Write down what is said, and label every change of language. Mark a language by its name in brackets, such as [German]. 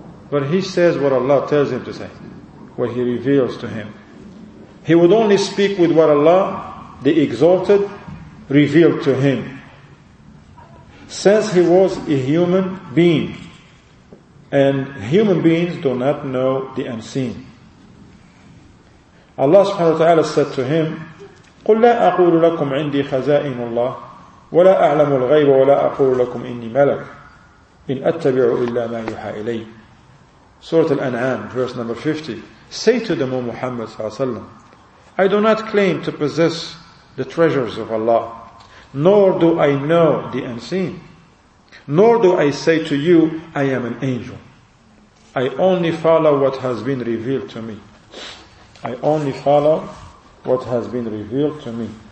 [English] But he says what Allah tells him to say, what He reveals to him. He would only speak with what Allah, the Exalted, revealed to him. Since he was a human being, and human beings do not know the unseen. [Arabic] Allah subhanahu wa ta'ala [English] said to him, [Arabic] قُلْ لَا أَقُولُ لَكُمْ عِنْدِي خَزَائِنُ اللَّهِ وَلَا أَعْلَمُ الْغَيْبَ وَلَا أَقُولُ لَكُمْ إِنِّي مَلَكٌ إِنْ أَتَّبِعُ إِلَّا مَا يُحَى إِلَيْهِ. [English] Surah Al-An'am, verse number 50. Say to them, O Muhammad sallallahu alayhi wa sallam, I do not claim to possess the treasures of Allah, nor do I know the unseen, nor do I say to you, I am an angel. I only follow what has been revealed to me. I only follow what has been revealed to me.